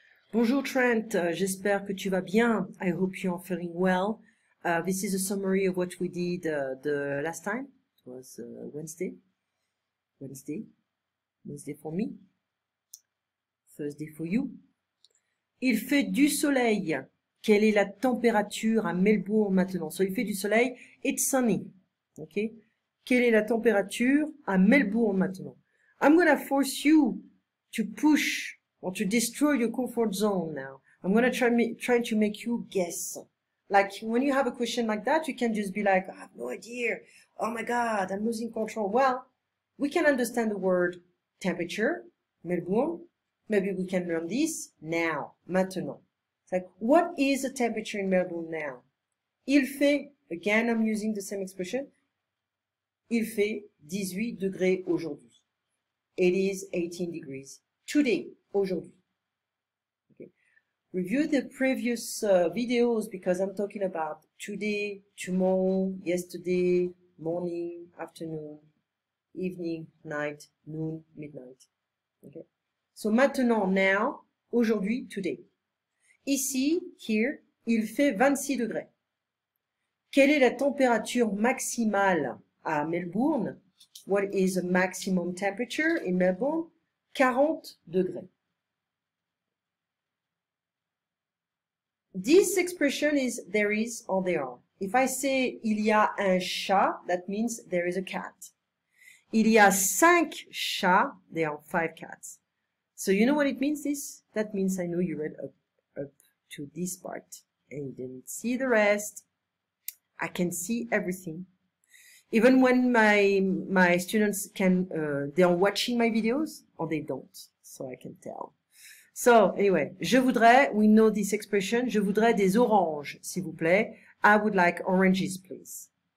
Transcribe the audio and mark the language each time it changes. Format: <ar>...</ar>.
<fr>Bonjour Trent, j'espère que tu vas bien.</fr> <en>I hope you're feeling well. This is a summary of what we did the last time. It was Wednesday. Wednesday for me. Thursday for you.</en> <fr>Il fait du soleil. Quelle est la température à Melbourne maintenant?</fr> <en>So</en> <fr>il fait du soleil.</fr> <en>It's sunny. OK?</en> <fr>Quelle est la température à Melbourne maintenant?</fr> <en>I'm gonna force you to push. Or to destroy your comfort zone now. I'm gonna try to make you guess. Like when you have a question like that, you can just be like, I have no idea. Oh my God, I'm losing control. Well, we can understand the word temperature, Melbourne. Maybe we can learn this now,</en> <fr>maintenant.</fr> <en>It's like, what is the temperature in Melbourne now?</en> <fr>Il fait,</fr> <en>again, I'm using the same expression.</en> <fr>Il fait 18 degrés aujourd'hui.</fr> <en>It is 18 degrees today.</en> <fr>Aujourd'hui.</fr> <en>Review the previous videos because I'm talking about today, tomorrow, yesterday, morning, afternoon, evening, night, noon, midnight. Okay. So</en> <fr>maintenant,</fr> <en>now,</en> <fr>aujourd'hui,</fr> <en>today.</en> <fr>Ici,</fr> <en>here,</en> <fr>il fait 26 degrés. Quelle est la température maximale à Melbourne?</fr> <en>What is the maximum temperature in Melbourne?</en> <fr>40 degrés.</fr> <en>This expression is there is or there are. If I say</en> <fr>il y a un chat,</fr> <en>that means there is a cat.</en> <fr>Il y a cinq chats,</fr> <en>there are five cats. So you know what it means, this? That means I know you read up to this part and you didn't see the rest. I can see everything. Even when my students can, they are watching my videos or they don't, so I can tell. So, anyway,</en> <fr>je voudrais,</fr> <en>we know this expression,</en> <fr>je voudrais des oranges, s'il vous plaît.</fr> <en>I would like oranges, please.</en>